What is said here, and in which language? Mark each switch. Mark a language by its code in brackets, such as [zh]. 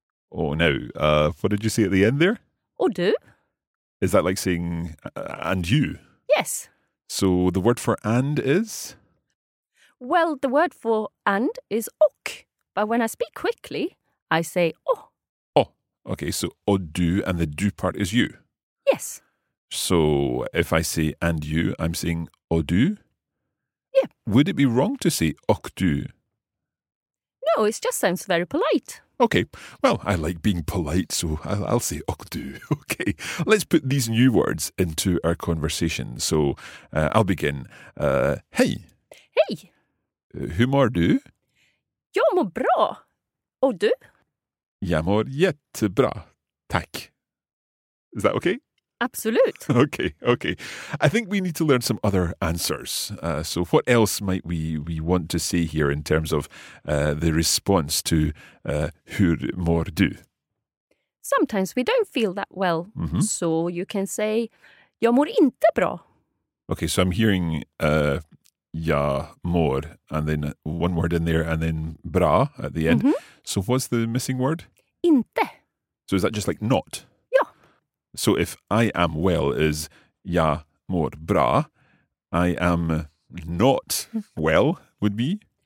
[en] Oh, now, what did you say at the end there? [sv] Och du? [en] Is that like saying, and you? Yes. So the word for and is? Well, the word for and is och. But when I speak quickly, I say oh. Oh, okay, so [sv] och du, [en] and the du part is you. Yes. So if I say and you, I'm saying [sv] och du? [en] Yeah. Would it be wrong to say [sv] och du? [en] No, it just sounds very polite. Okay, well, I like being polite, so I'll say [sv] och du. [en] Okay, let's put these new words into our conversation. So I'll begin. Hey. Hey. [sv] Hur mår du? Jag mår bra. Och du? Jag mår jättebra. Tack. [en] Is that okay? [sv] Absolut. [en] Okay, okay. I think we need to learn some other answers. So what else might we want to say here in terms of the response to [sv] hur mår du? [en] Sometimes we don't feel that well. Mm-hmm. So you can say [sv] jag mår inte bra. [en] Okay, so I'm hearing [sv] jag mår [en] and then one word in there and then [sv] bra [en] at the end. Mm-hmm. So what's the missing word? [sv] Inte. [en] So is that just like not? So if I am well is [sv] jag mår bra, [en] I am not well would be?